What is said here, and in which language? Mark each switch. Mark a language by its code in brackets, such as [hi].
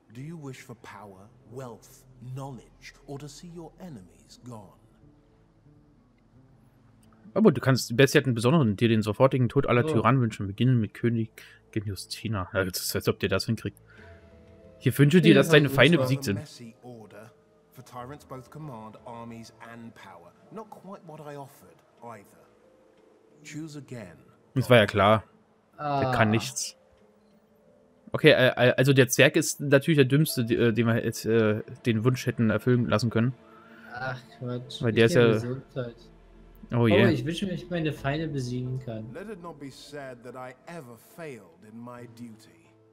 [en] Do you wish for power, wealth, knowledge or to see your enemies gone? [de] Aber du kannst, Bessie hat einen besonderen, dir den sofortigen Tod aller Tyrannen wünschen. Beginnen mit Königin Justina. Ja, das ist, als ob der das hinkriegt. Hier wünsche dir, dass deine Feinde besiegt sind. Das war ja klar. Der kann nichts. Okay, also der Zwerg ist natürlich der Dümmste, den wir jetzt den Wunsch hätten erfüllen lassen können. Ach Quatsch. Weil der ist ja. Gesundheit. Oh je. Yeah. Ich wünsche mir, dass ich meine Feinde besiegen kann. [en] Let it not be said that I ever failed in my duty.